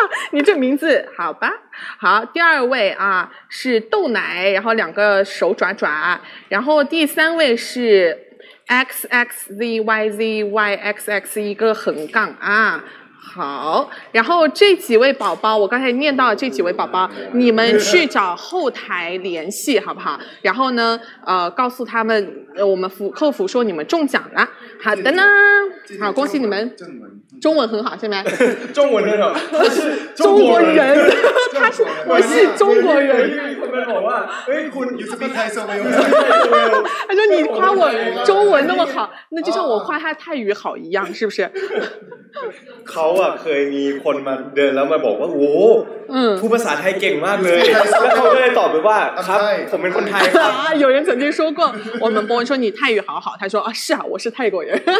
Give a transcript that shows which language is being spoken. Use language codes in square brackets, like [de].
[zh] 你这名字好吧好第二位啊是豆奶然后两个手爪爪然后第三位是 XXZYZYXX 一个横杠啊好然后这几位宝宝我刚才念到了这几位宝宝你们去找后台联系好不好然后呢告诉他们我们客服说你们中奖了好的呢好恭喜你们中文很好是吗中文很好中国人他是我是中国人。 [th] 哎，คุณ [en] you speak Thai so [zh] well。他说你夸我中文那么好，那就像我夸他泰语好一样，是不是？ [th] เขาอะเคยมีคนมาเดินแล้วมาบอกว่าโ อ้พูดภาษาไทยเก่งมากเลยแล้วเขาก็เลยตอบไปว่าครับผมเป็นคนไทยครับ [zh] 有人曾经说过我们波恩说你泰语好好，他说啊是啊我是泰国人。